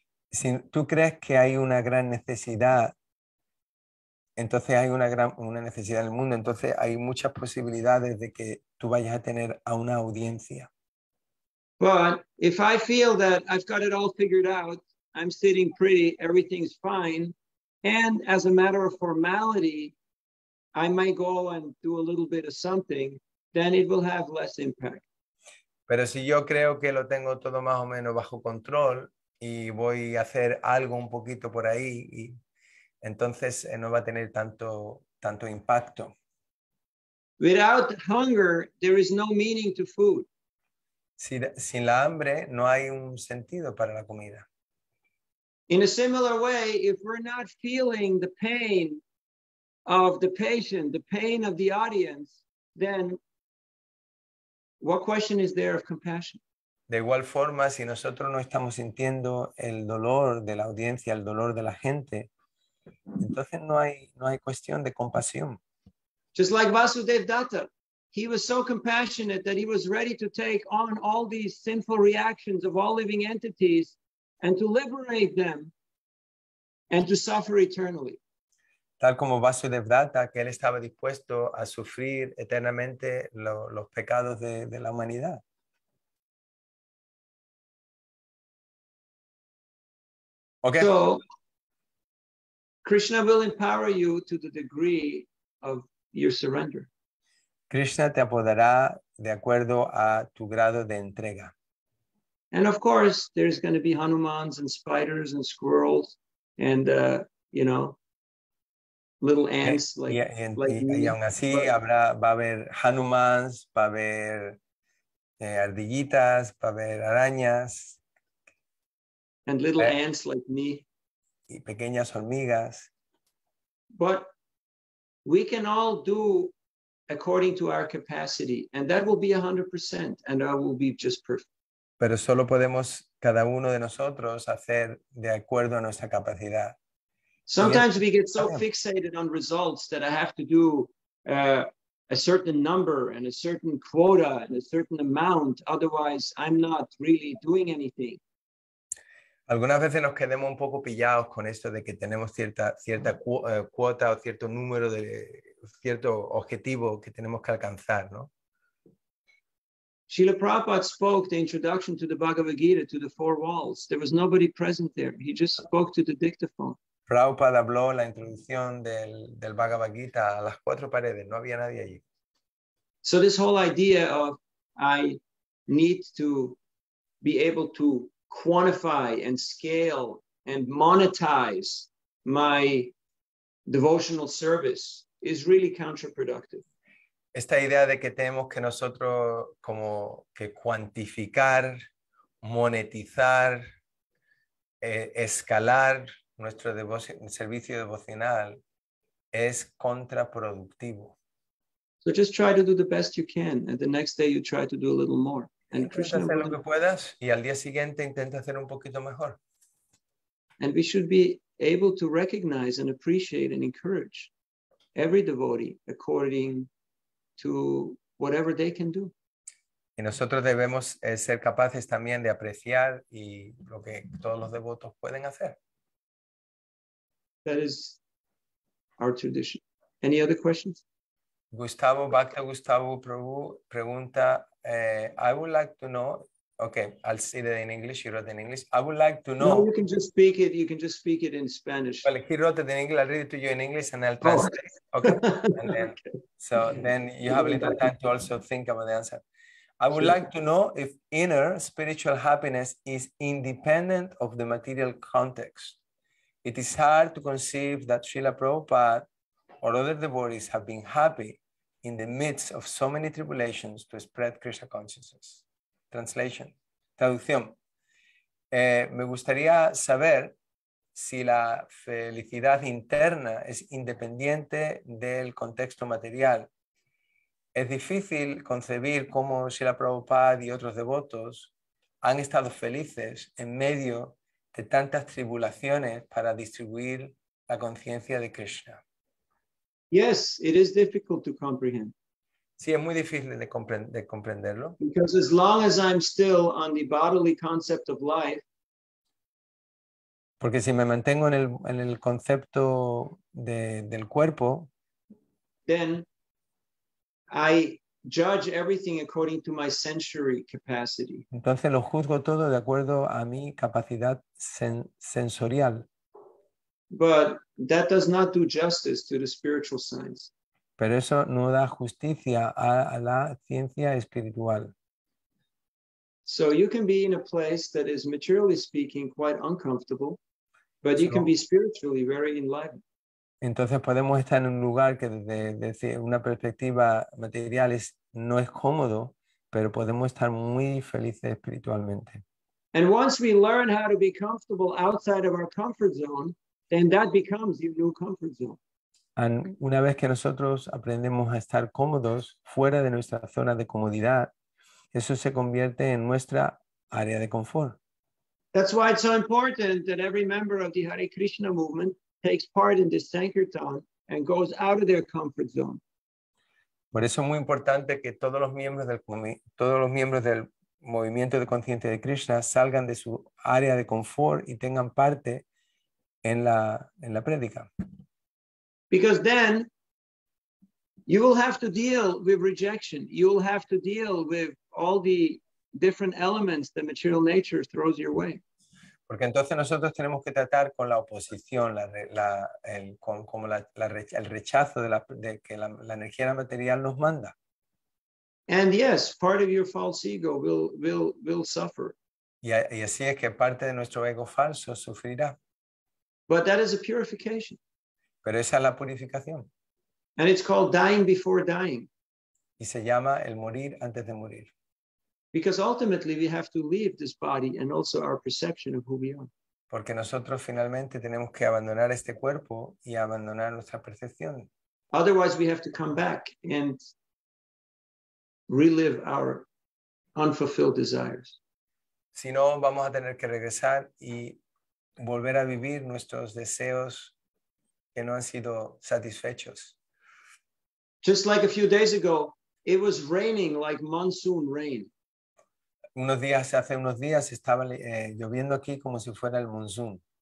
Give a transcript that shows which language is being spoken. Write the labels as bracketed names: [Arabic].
[Spanish] Si tú crees que hay una gran necesidad, entonces hay una necesidad en el mundo, entonces hay muchas posibilidades de que tú vayas a tener a una audiencia. [English] But if I feel that I've got it all figured out, I'm sitting pretty, everything's fine, and as a matter of formality, I might go and do a little bit of something, then it will have less impact. [Spanish] Pero si yo creo que lo tengo todo más o menos bajo control y voy a hacer algo un poquito por ahí, y entonces no va a tener tanto impacto. [English] Without hunger, there is no meaning to food. [Spanish] Sin la hambre, no hay un sentido para la comida. [English] In a similar way, if we're not feeling the pain of the patient, the pain of the audience, then what question is there of compassion? [Spanish] De igual forma, si nosotros no estamos sintiendo el dolor de la audiencia, el dolor de la gente, entonces no hay cuestión de compasión. [English] Just like Vasudev Datta. He was so compassionate that he was ready to take on all these sinful reactions of all living entities and to liberate them and to suffer eternally. [Spanish] Tal como Vasudev Datta, que él estaba dispuesto a sufrir eternamente los pecados de la humanidad. [English] Okay. So, Krishna will empower you to the degree of your surrender. [Spanish] Krishna te apoderará de acuerdo a tu grado de entrega. [English] And of course, there's going to be Hanumans and spiders and squirrels and, you know, little ants. [Spanish] Y aún así, va a haber Hanumans, va a haber ardillitas, va a haber arañas. [English] And little ants like me. [Spanish] Y pequeñas hormigas. [English] But we can all do according to our capacity, and that will be 100%, and I will be just perfect. [Spanish] Pero solo podemos cada uno de nosotros hacer de acuerdo a nuestra capacidad. [English] Sometimes we get so fixated on results that I have to do a certain number and a certain quota and a certain amount, otherwise I'm not really doing anything. [Spanish] Algunas veces nos quedamos un poco pillados con esto de que tenemos cierta cuota o cierto número de cierto objetivo que tenemos que alcanzar, ¿no? [English] Srila Prabhupada spoke the introduction to the Bhagavad Gita to the four walls. There was nobody present there. He just spoke to the dictaphone. [Spanish] Prabhupada habló la introducción del Bhagavad Gita a las cuatro paredes. No había nadie allí. [English] So this whole idea of I need to be able to quantify and scale and monetize my devotional service is really counterproductive. [Spanish] Esta idea de que tenemos que nosotros como que cuantificar, monetizar, escalar nuestro servicio devocional es contraproductivo. [English] So just try to do the best you can, and the next day you try to do a little more. And Krishna, [Spanish] hacer lo que puedas y al día siguiente intenta hacer un poquito mejor. [English] And we should be able to recognize and appreciate and encourage every devotee according to whatever they can do. [Spanish] Y nosotros debemos ser capaces también de apreciar y lo que todos los devotos pueden hacer. [English] That is our tradition. Any other questions? [Spanish] Gustavo, Bhakta Gustavo Prabhu pregunta, [English] I would like to know, okay, I'll say that in English, he wrote it in English. I would like to know. No, you can just speak it in Spanish. Well, he wrote it in English, I'll read it to you in English and I'll translate. Oh. Okay. And then, okay. So then you have a little time to also think about the answer. I would like to know if inner spiritual happiness is independent of the material context. It is hard to conceive that Srila Prabhupada or other devotees have been happy in the midst of so many tribulations to spread Krishna consciousness. Translation. [Spanish] Traducción. Me gustaría saber si la felicidad interna es independiente del contexto material. Es difícil concebir cómo Srila Prabhupada y otros devotos han estado felices en medio de tantas tribulaciones para distribuir la conciencia de Krishna. [English] Yes, it is difficult to comprehend. [Spanish] Sí, es muy difícil de comprenderlo. [English] Because as long as I'm still on the bodily concept of life, [Spanish] porque si me mantengo en el concepto de, del cuerpo, [English] then I judge everything according to my sensory capacity. [Spanish] Entonces lo juzgo todo de acuerdo a mi capacidad sensorial. [English] But that does not do justice to the spiritual science. [Spanish] Pero eso no da justicia a la ciencia espiritual. [English] So you can be in a place that is materially speaking quite uncomfortable, but you can be spiritually very enlightened. [Spanish] Entonces podemos estar en un lugar que desde una perspectiva material es, no es cómodo, pero podemos estar muy felices espiritualmente. [English] And once we learn how to be comfortable outside of our comfort zone, then that becomes your new comfort zone. [Spanish] And una vez que nosotros aprendemos a estar cómodos fuera de nuestra zona de comodidad, eso se convierte en nuestra área de confort. [English] That's why it's so important that every member of the Hare Krishna movement takes part in this sankirtan and goes out of their comfort zone. [Spanish] Por eso es muy importante que todos los miembros del movimiento de conciencia de Krishna salgan de su área de confort y tengan parte en la prédica. [English] Because then you will have to deal with rejection. You will have to deal with all the different elements that material nature throws your way. [Spanish] Porque entonces nosotros tenemos que tratar con la oposición, el rechazo de que la energía material nos manda. [English] And yes, part of your false ego will suffer. [Spanish] Y así es que parte de nuestro ego falso sufrirá. [English] But that is a purification. [Spanish] Pero esa es la purificación. [English] And it's called dying before dying. [Spanish] Y se llama el morir antes de morir. [English] Because ultimately we have to leave this body and also our perception of who we are. [Spanish] Porque nosotros finalmente tenemos que abandonar este cuerpo y abandonar nuestra percepción. [English] Otherwise we have to come back and relive our unfulfilled desires. [Spanish] Si no, vamos a tener que regresar y volver a vivir nuestros deseos que no han sido satisfechos. [English] Just like a few days ago, it was raining like monsoon rain. [Spanish] Hace unos días estaba lloviendo aquí como si fuera el monzón.